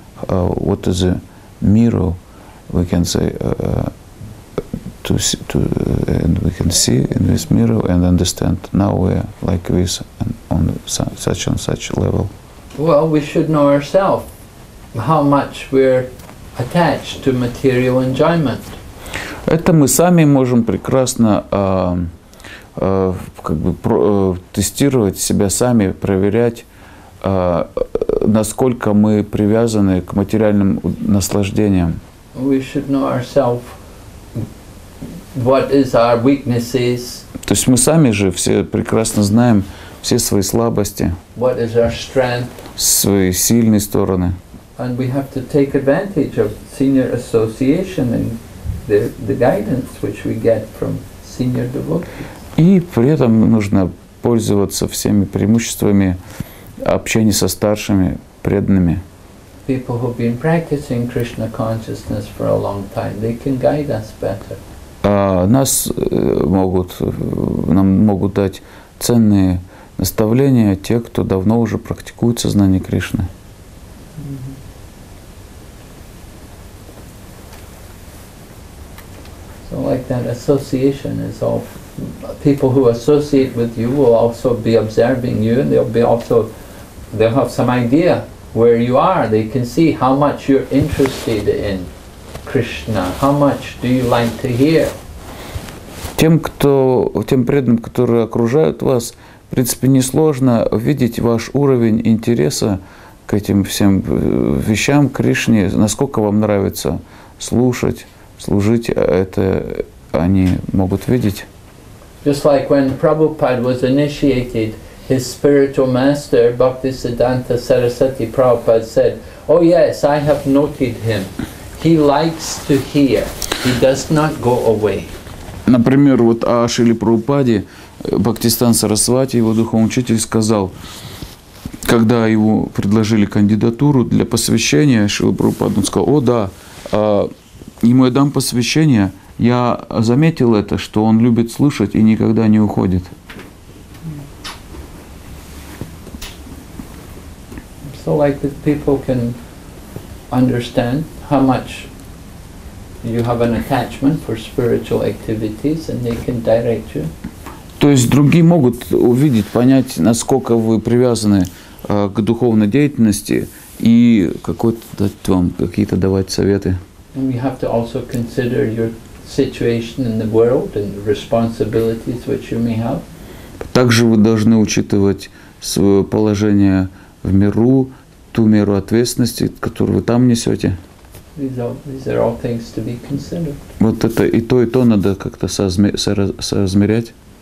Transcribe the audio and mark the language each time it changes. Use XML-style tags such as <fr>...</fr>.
<en>What is the mirror we can say and we can see in this mirror and understand now we are like this and on such and such level. Well, we should know ourselves how much we're attached to material enjoyment.</en> <ru>Это мы сами можем прекрасно как бы тестировать себя сами, проверять, насколько мы привязаны к материальным наслаждениям.</ru> <en>We should know ourselves. What is our weaknesses?</en> <ru>То есть мы сами же все прекрасно знаем все свои слабости.</ru> <en>What is our strength?</en> <ru>Свои сильные стороны.</ru> <en>And we have to take advantage of senior association and the guidance which we get from senior devotees.</en> <ru>И при этом нужно пользоваться всеми преимуществами общения со старшими преданными.</ru> <en>People who've been practicing Krishna consciousness for a long time, they can guide us better.</en> <ru>Нам могут дать ценные наставления те, кто давно уже практикует сознание Кришны.</ru> <en>So like that association is all people who associate with you will also be observing you and they'll have some idea where you are. They can see how much you're interested in Krishna. How much do you like to hear?</en> <ru>Тем преданным, которые окружают вас, в принципе, несложно видеть ваш уровень интереса к этим всем вещам, к Кришне, насколько вам нравится слушать, служить, это они могут видеть.</ru> <en>Just like when Prabhupada was initiated, his spiritual master, Bhaktisiddhanta Sarasvati Prabhupada said, oh yes, I have noted him. He likes to hear. He does not go away.</en> <ru>Например, вот о Шриле Прабхупаде Бхактистан Сарасвати, его духовный учитель, сказал, когда ему предложили кандидатуру для посвящения Шриле Прабхупаду, он сказал: «О, да, ему я дам посвящение, я заметил это, что он любит слушать и никогда не уходит».</ru> <en>So like that people can understand how much you have an attachment for spiritual activities and they can direct you.</en> <ru>То есть другие могут увидеть, понять, насколько вы привязаны к духовной деятельности и какой-то дать вам какие-то давать советы.</ru> <en>And you have to also consider your situation in the world and the responsibilities which you may have.</en> <ru>Также вы должны учитывать свое положение в миру, ту меру ответственности, которую вы там несете. Вот это и то надо как-то соразмерять.</ru>